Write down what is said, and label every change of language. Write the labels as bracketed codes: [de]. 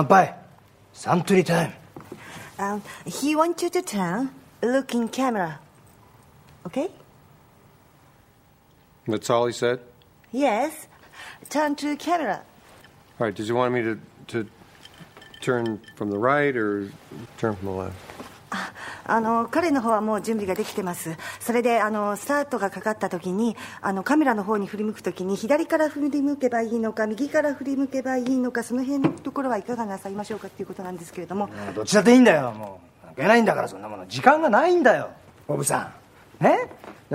[ja] そしてテーブルの上にはサントリーウイスキーがあります。わかりますね?感情を込めてゆっくりとカメラを見て優しく、そしてあなたの古い友達に会うように言ってください。カサブランカのボギーのように君の瞳に乾杯。サントリータイム. [en] He wants you to turn, look in camera. Okay? That's all he said? Yes. Turn to camera. All right, does he want me to turn from the right or turn from the left? [ja] あの、彼の方はもう準備ができてます。それであの、スタートがかかった時に、あの、カメラの方に振り向く時に左から振り向けばいいのか、右から振り向けばいいのか、その辺のところはいかがなさいましょうかっていうことなんですけれども。どちらでいいんだよ。もう、関係ないんだからそんなもの。時間がないんだよ。ボブさん。